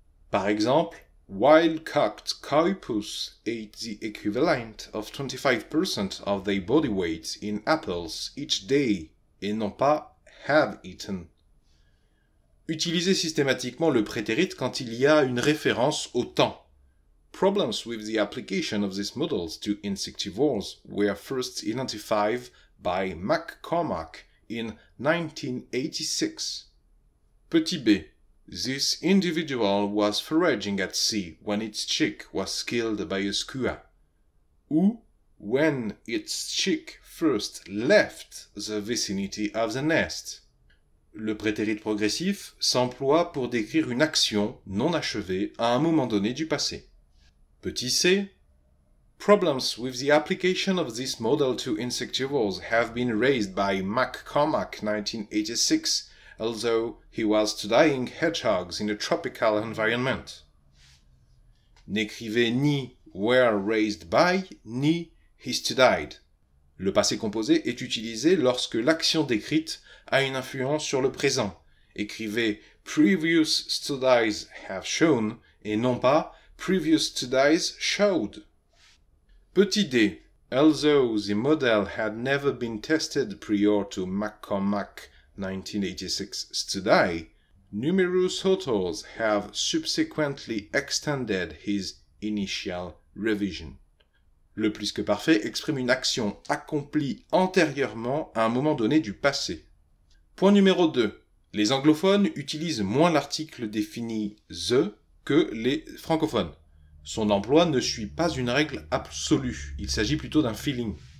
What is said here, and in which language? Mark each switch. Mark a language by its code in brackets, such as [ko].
[fr] Par exemple, [en] « wild-caught coypus ate the equivalent of 25% of their body weight in apples each day » [fr] et non pas [en] « have eaten ». [fr] Utilisez systématiquement le prétérit quand il y a une référence au temps. [en] Problems with the application of these models to insectivores were first identified by McCormack in 1986. [fr] Petit b. [en] This individual was foraging at sea when its chick was killed by a skua. [fr] Ou, [en] when its chick first left the vicinity of the nest. [fr] Le prétérit progressif s'emploie pour décrire une action non achevée à un moment donné du passé. Petit c. [en] Problems with the application of this model to insectivores have been raised by McCormack 1986, although he was studying hedgehogs in a tropical environment. [fr] N'écrivez ni [en] were raised by [fr] ni [en] he studied. [fr] Le passé composé est utilisé lorsque l'action décrite a une influence sur le présent. Écrivez [en] previous studies have shown [fr] et non pas [en] previous studies showed. [fr] Petit d. [en] Although the model had never been tested prior to McCormack 1986 study, numerous authors have subsequently extended his initial revision. [fr] Le plus que parfait exprime une action accomplie antérieurement à un moment donné du passé. Point numéro 2. Les anglophones utilisent moins l'article défini the que les francophones. Son emploi ne suit pas une règle absolue, il s'agit plutôt d'un feeling.